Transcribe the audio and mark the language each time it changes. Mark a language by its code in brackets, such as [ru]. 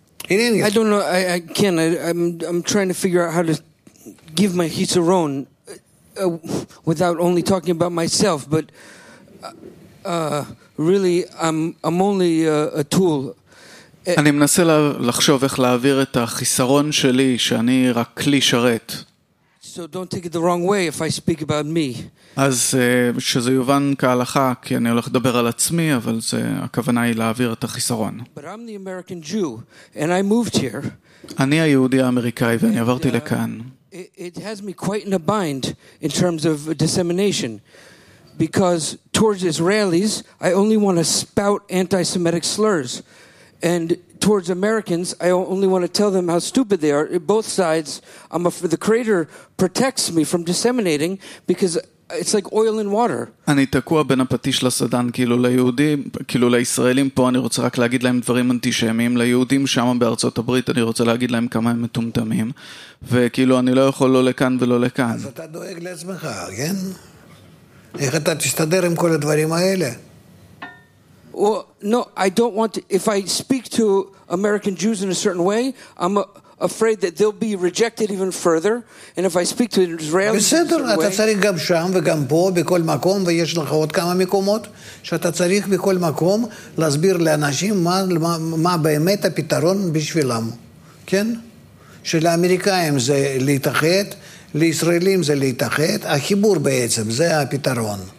[en] I don't know, I can, I'm trying to figure out how to give my hiseron without only talking about myself, but really I'm only a tool. [he] אני מנסה לחשוב איך להעביר את החיסרון שלי שאני רק כלי שרת. [en] So don't take it the wrong way if I speak about me. [he] אז שזה יובן כהלכה, כי אני הולך לדבר על עצמי, אבל זה, הכוונה היא להעביר את החיסרון. [en] But I'm the American Jew, and I moved here. [he] אני היהודי האמריקאי, ואני עברתי לכאן. [en] It has me quite in a bind in terms of dissemination, because towards Israelis, I only want to spout anti-Semitic slurs, and towards Americans, I only want to tell them how stupid they are. Both sides, the creator protects me from disseminating, because it's like oil and water. [he] אני תקוע בין הפטיש לסדן, כאילו ליהודים, כאילו לישראלים פה, אני רוצה רק להגיד להם דברים אנטישמיים, ליהודים שם בארצות הברית, אני רוצה להגיד להם כמה הם מטומטמים, וכאילו אני לא יכול לא לכאן ולא לכאן. אז אתה דואג לעצמך, כן? איך אתה תסתדר עם כל הדברים האלה? [en] Well, no, I don't want to, if I speak to American Jews in a certain way, I'm afraid that they'll be rejected even further. And if I speak to Israelis in a certain way... [he] אתה צריך גם שם וגם פה, בכל מקום, ויש לך עוד כמה מקומות, שאתה צריך בכל מקום להסביר לאנשים מה באמת הפתרון בשבילם, כן? שלאמריקאים זה להתאחד, לישראלים זה להתאחד, החיבור בעצם, זה הפתרון.